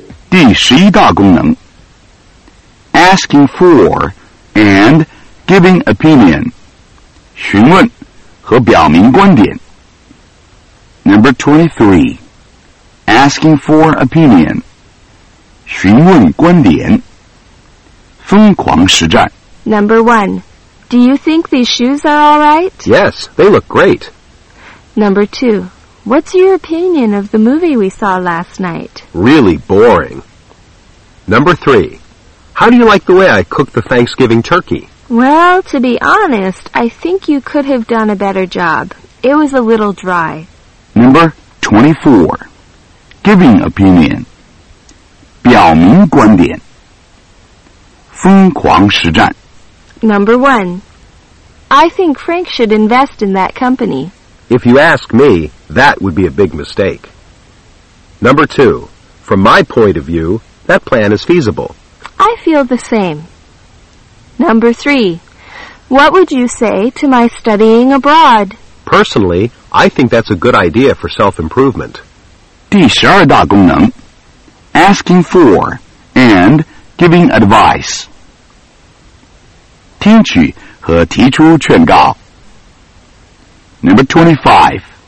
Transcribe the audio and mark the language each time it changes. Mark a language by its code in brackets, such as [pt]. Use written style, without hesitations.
[zh] 第十一大功能 [en] Asking for and giving opinion [zh] 询问和表明观点 [en] Number 23 Asking for opinion [zh] 询问观点疯狂实战 [en] Number 1 Do you think these shoes are all right? Yes, they look great Number 2 What's your opinion of the movie we saw last night? Really boringNumber 3. How do you like the way I cooked the Thanksgiving turkey? Well, to be honest, I think you could have done a better job. It was a little dry. Number 24. Giving opinion. [zh] 表明观点。疯狂实战。 [en] Number 1. I think Frank should invest in that company. If you ask me, that would be a big mistake. Number 2. From my point of view... That plan is feasible. I feel the same. Number 3. What would you say to my studying abroad? Personally, I think that's a good idea for self-improvement. [zh] 第十二大功能 [en] Asking for and giving advice. [zh] 听取和提出劝告 Number 25.